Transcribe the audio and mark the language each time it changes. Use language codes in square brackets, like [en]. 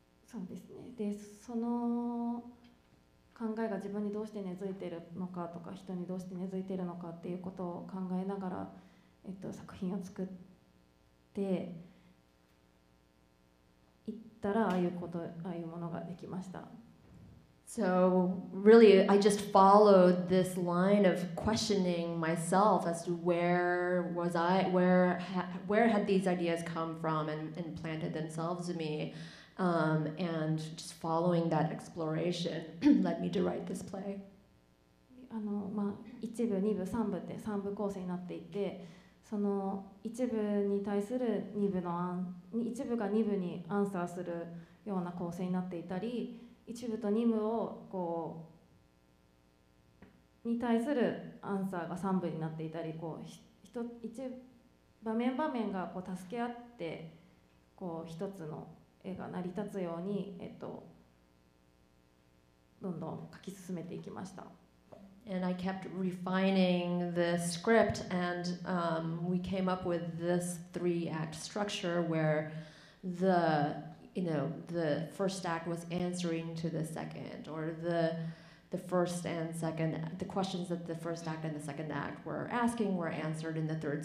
[ja] そうですね。で、その考えが自分にどうして根付いているのかとか、人にどうして根付いているのかっていうことを考えながら、作品を作って行ったら、ああいうこと、ああいうものができました。 [en] So really, I just followed this line of questioning myself as to where had these ideas come from and planted themselves in me, and just following that exploration led me to write this play. [ja] あの、まあ、一部、二部、三部って三部構成になっていて、その一部に対する二部の案、一部が二部にアンサーするような構成になっていたり、一部と二部をこうに対するアンサーが三部になっていたり、こう一場面場面がこう助け合ってこう一つの絵が成り立つようにどんどん書き進めていきました。 [en] And I kept refining the script, and we came up with this three-act structure where the first act was answering to the second, or the first and second, the questions that the first act and the second act were asking were answered in the third.